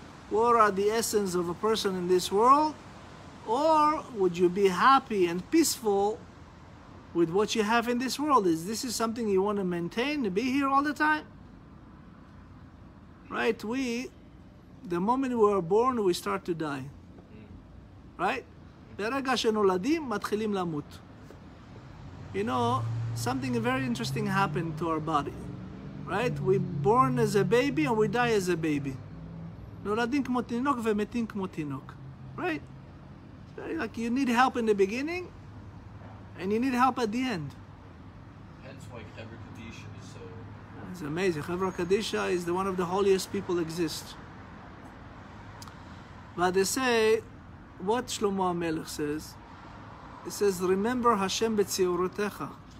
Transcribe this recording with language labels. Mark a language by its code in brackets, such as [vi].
[en] What are the essence of a person in this world? Or would you be happy and peaceful with what you have in this world? Is this is something you want to maintain, to be here all the time? Right? We, the moment we are born, we start to die. Right? [he] ברגע שנולדים, מתחילים למות. [en] You know, something very interesting happened to our body. Right? We born as a baby and we die as a baby. [he] נולדים כמו תינוק ומתים כמו תינוק. [en] Right? It's very like you need help in the beginning and you need help at the end. Hence why Chevra Kadisha is so... It's amazing. Chevra Kadisha is the one of the holiest people exist. But they say, what Shlomo HaMelech says, he says, remember Hashem b'tziorotecha.